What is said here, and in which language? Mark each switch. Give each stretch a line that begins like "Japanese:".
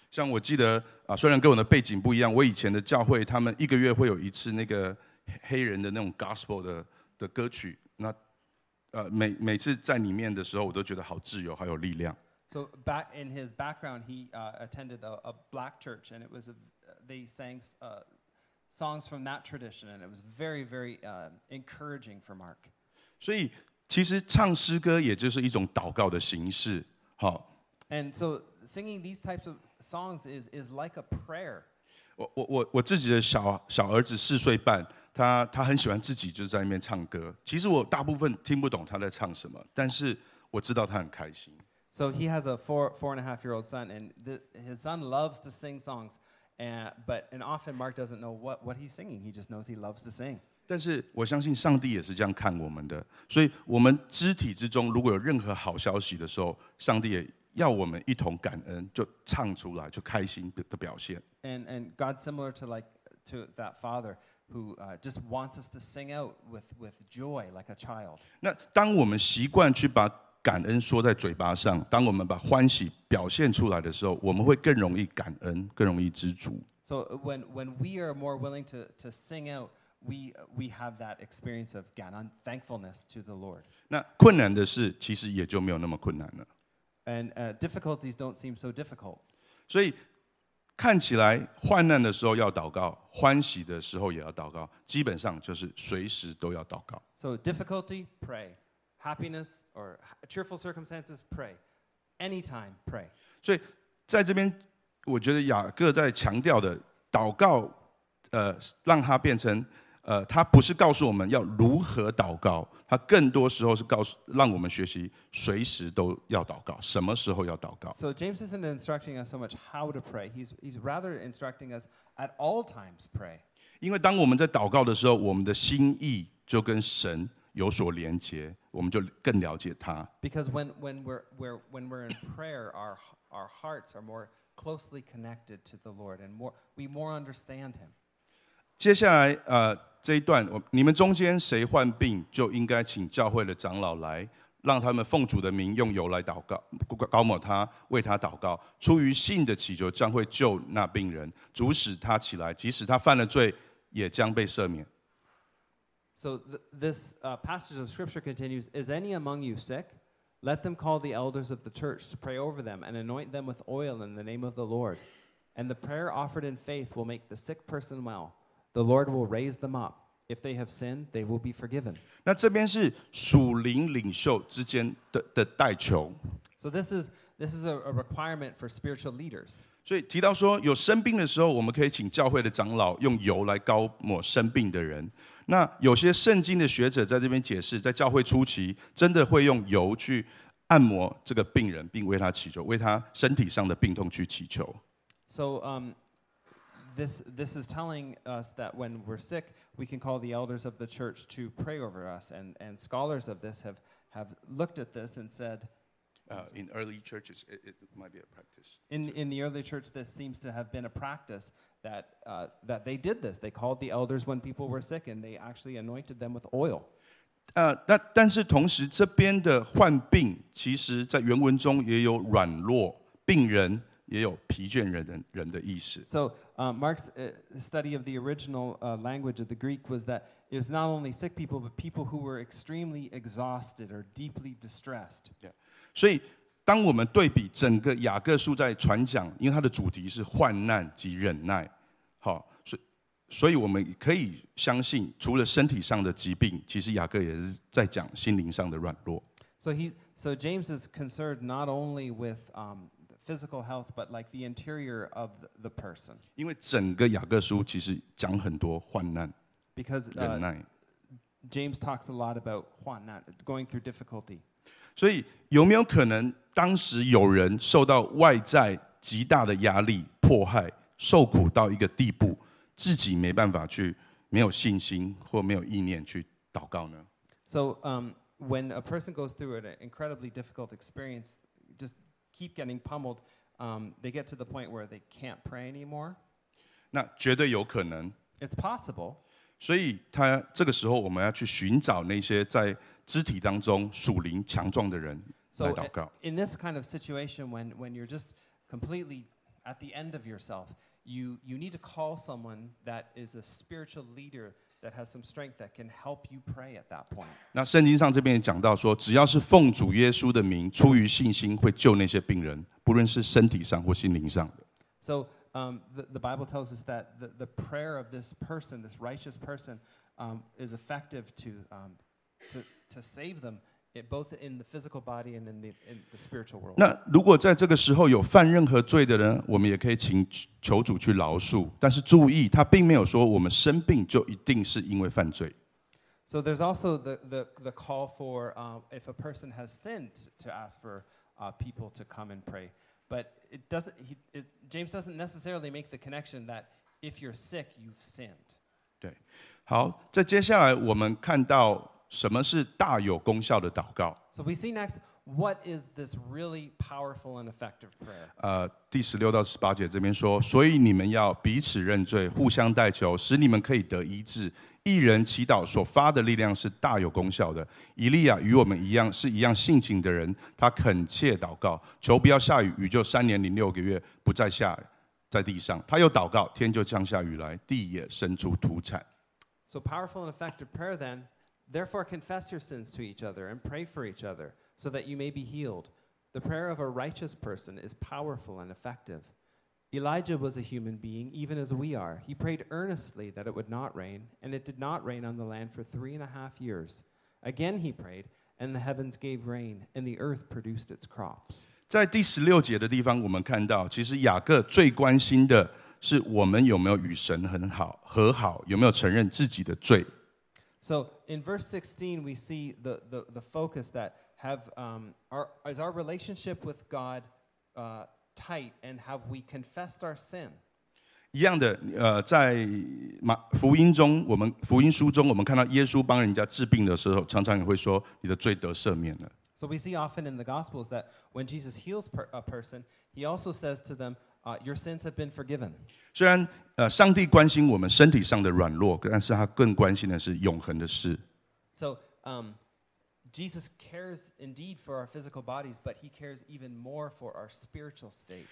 Chinese: 像我记得啊，虽然跟我的背景不一样，我以前的教会他们一个月会有一次那个黑人的那种 gospel 的歌曲。那每次在里面的时候，我都觉得好自由，好有力量。
English: So back in his background, he attended a black church, and it was they sang songs from that tradition, and it was very, very encouraging for Mark.
Chinese: 所以其实唱诗歌也就是一种祷告的形式。好。
English: And so singing these types of songs is like a prayer.
Chinese: 我自己的小儿子四岁半，他很喜欢自己就在那边唱歌。其实我大部分听不懂他在唱什么，但是我知道他很开心。
English: So he has a four and a half year old son, and his son loves to sing songs, but often Mark doesn't know what he's singing. He just knows he loves to sing.
Chinese: 但是我相信上帝也是这样看我们的，所以我们肢体之中如果有任何好消息的时候，上帝也要我们一同感恩，就唱出来，就开心的表现。
English: And God similar to like to that father who just wants us to sing out with joy like a child.
Chinese: 那当我们习惯去把感恩说在嘴巴上，当我们把欢喜表现出来的时候，我们会更容易感恩，更容易知足。
English: So when we are more willing to sing out. We have that experience of ganon thankfulness to the Lord.
Chinese: 那困难的事其实也就没有那么困难了。
English: And difficulties don't seem so difficult.
Chinese: 所以看起来患难的时候要祷告，欢喜的时候也要祷告，基本上就是随时都要祷告。
English: So difficulty, pray. Happiness or cheerful circumstances, pray. Anytime, pray.
Chinese: 所以在这边，我觉得雅各在强调的祷告。让它变成，它不是告诉我们要如何祷告，它更多时候是告诉让我们学习随时都要祷告，什么时候要祷告。
English: So James isn't instructing us so much how to pray. He's rather instructing us at all times pray.
Chinese: 因为当我们在祷告的时候，我们的心意就跟神有所连接，我们就更了解他。
English: Because when we're in prayer, our hearts are more closely connected to the Lord, and we more understand Him.
Chinese: 接下来，这一段，你们中间谁患病，就应该请教会的长老来，让他们奉主的名用油来祷告，膏抹他，为他祷告。出于信的祈求，将会救那病人，主使他起来，即使他犯了罪，也将被赦免。
English: So this passage of scripture continues: Is any among you sick? Let them call the elders of the church to pray over them and anoint them with oil in the name of the Lord. And the prayer offered in faith will make the sick person well. The Lord will raise them up. If they have sinned, they will be forgiven.
Chinese: 那这边是属灵领袖之间的代求。
English: So this is This is a requirement for spiritual leaders.
Chinese: 所以提到说有生病的时候，我们可以请教会的长老用油来膏抹生病的人。那有些圣经的学者在这边解释，在教会初期真的会用油去按摩这个病人，并为他祈求，为他身体上的病痛去祈求。
English: So, this is telling us that when we're sick, we can call the elders of the church to pray over us. And scholars of this have looked at this and said. In early churches, it might be a practice. In the early church, this seems to have been a practice that they did this. They called the elders when people were sick, and they actually anointed them with oil.
Chinese: 但是同时，这边的患病其实在原文中也有软弱病人，也有疲倦人的意思。
English: So Mark's study of the original language of the Greek was that it was not only sick people, but people who were extremely exhausted or deeply distressed. Yeah.
Chinese: 所以当我们对比整个雅各书在传讲，因为它的主题是患难及忍耐，好，所以我们可以相信，除了身体上的疾病，其实雅各也是在讲心灵上的软弱。
English: So James is concerned not only with physical health, but like the interior of the person.
Chinese: 因为整个雅各书其实讲很多患难，忍耐。
English: James talks a lot about 患难, going through difficulty.
Chinese: 所以有没有可能当时有人受到外在极大的压力迫害受苦到一个地步自己没办法去没有信心或没有意念去祷告呢
English: So, when a person goes through an incredibly difficult experience, just keep getting pummeled, they get to the point where they can't pray anymore.
Chinese: 那绝对有可能。
English: It's possible.
Chinese: 所以他这个时候我们要去寻找那些在肢体当中属灵强壮的人来祷告。
English: So in this kind of situation, when you're just completely at the end of yourself, you need to call someone that is a spiritual leader that has some strength that can help you pray at that point.
Chinese: 那圣经上这边也讲到说，只要是奉主耶稣的名，出于信心会救那些病人，不论是身体上或心灵上的。
English: So the Bible tells us that the prayer of this person, this righteous person, is effective to save them, both in the physical body and in the spiritual world.
Chinese: 那如果在这个时候有犯任何罪的人，我们也可以请求主去饶恕。但是注意，他并没有说我们生病就一定是因为犯罪。
English: So there's also the call for if a person has sinned to ask for people to come and pray. But it doesn't. James doesn't necessarily make the connection that if you're sick, you've sinned.
Chinese: 对，好，在接下来我们看到。什么是大有功效的祷告
English: ？So we see next what is this really powerful and effective prayer？
Chinese: 第十六到十八节这边说，所以你们要彼此认罪，互相代求，使你们可以得医治。一人祈祷所发的力量是大有功效的。以利亚与我们一样，是一样性情的人，他恳切祷告，求不要下雨，雨就三年零六个月不再下在地上。他又祷告，天就降下雨来，地也生出土产。
English: So powerful and effective prayer then. Therefore, confess your sins to each other and pray for each other so that you may be healed. The prayer of a righteous person is powerful and effective. Elijah was a human being, even as we are. He prayed earnestly that it would not rain, and it did not rain on the land for 3.5 years. Again he prayed, and the heavens gave rain, and the earth produced its crops.
Chinese: 在第十六节的地方我们看到其实雅各最关心的是我们有没有与神很好和好有没有承认自己的罪。
English: So in verse 16, we see the focus that is our relationship with God tight, and have we confessed our sin?
Chinese: 一样的，在福音中，我们福音书中，我们看到耶稣帮人家治病的时候，常常也会说你的罪得赦免了。
English: So we see often in the Gospels that when Jesus heals a person, he also says to them, your sins have been forgiven.
Chinese: 虽然上帝关心我们身体上的软弱，但是他更关心的是永恒的事。
English: So, Jesus cares indeed for our physical bodies, but he cares even more for our spiritual state.